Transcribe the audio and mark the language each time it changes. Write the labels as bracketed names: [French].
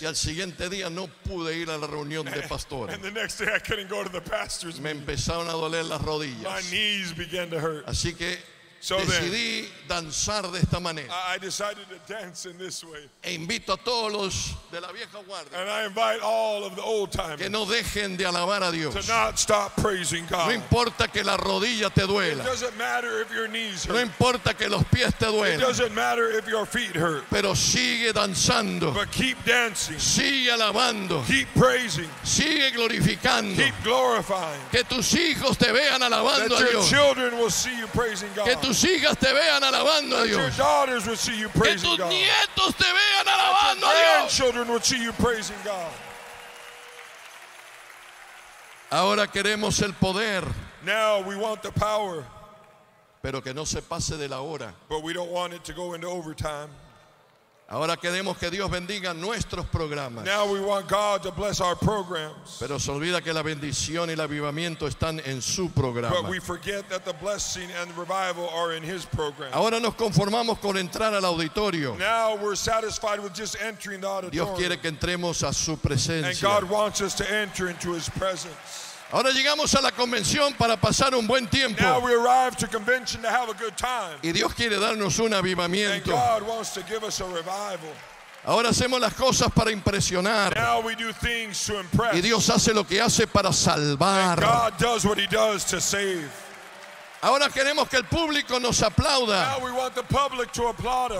[Spanish] Y al siguiente día no pude ir a la reunión de pastores. [English] And the next day I couldn't go to the pastor's meeting. [Spanish] Me empezaron a doler las rodillas. [English] My knees began to hurt. [Spanish] Así que [English] so [Spanish] decidí [English] then, [Spanish] danzar de esta manera. [English] I decided to dance in this way. [Spanish] E invito a todos los de la vieja guardia. [English] And I invite all of the old timers. [Spanish] Que no dejen de alabar a Dios. [English] To not stop praising God. [Spanish] No importa que la rodilla te duela. [English] It doesn't matter if your knees hurt. [Spanish] No importa que los pies te duelan. [English] It doesn't matter if your feet hurt. [Spanish] Pero sigue danzando. [English] But keep dancing. [Spanish] Sigue alabando. [English] Keep praising. [Spanish] Sigue glorificando. [English] Keep glorifying. [Spanish] Que tus hijos te vean alabando a Dios. [English] That your children will see you praising God. [Spanish] Que tus hijas te vean alabando a Dios. [English] Your daughters will see you praising God. [Spanish] Que tus nietos te vean alabando a Dios. [English] Your grandchildren will see you praising God. [Spanish] Ahora queremos el poder. [English] Now we want the power. [Spanish] Pero que no se pase de la hora. [English] But we don't want it to go into overtime. [Spanish] Ahora queremos que Dios bendiga nuestros programas. [English] Now we want God to bless our programs. [Spanish] Pero se olvida que la bendición y el avivamiento están en su programa. [English] But we forget that the blessing and the revival are in His program. [Spanish] Ahora nos conformamos con entrar al auditorio. [English] Now we're satisfied with just entering the auditorium. [Spanish] Dios quiere que entremos a su presencia. [English] And God wants us to enter into His presence. [Spanish] Ahora llegamos a la convención para pasar un buen tiempo. [English] Now we arrive to convention to have a good time. [Spanish] Y Dios quiere darnos un avivamiento. [English] And God wants to give us a revival. [Spanish] Ahora hacemos las cosas para impresionar. [English] Now we do things to impress. [Spanish] Y Dios hace lo que hace para salvar. [English] And God does what He does to save. [Spanish] Ahora queremos que el público nos aplauda. [English] Now we want the public to applaud us.